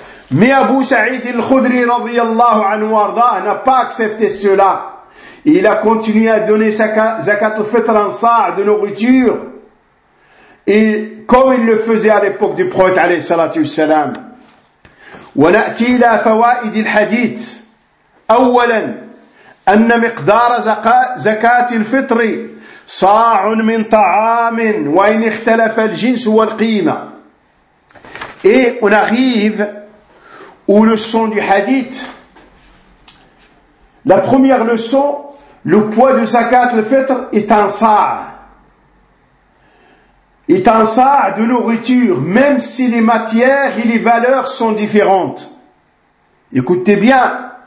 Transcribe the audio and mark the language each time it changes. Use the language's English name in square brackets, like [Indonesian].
[French] Mais Abu Sa'id al-Khudri radiyallahu anhu arda n'a pas accepté cela. Il a continué à donner zakat al-fitr en sa' de nourriture. Et comme il le faisait à l'époque du prophète alayhi salatu wassalam. [Arabic] Wa na'ti ila fawa'id al-hadith. أولا أن مقدار زكاة الفطر صاع من طعام وإن اختلف الجنس والقيمة. [French] Et on arrive au leçon du hadith. La première leçon, le poids de زكاة الفطر est un صاع. Est un صاع de nourriture, même si les matières et les valeurs sont différentes. Écoutez bien.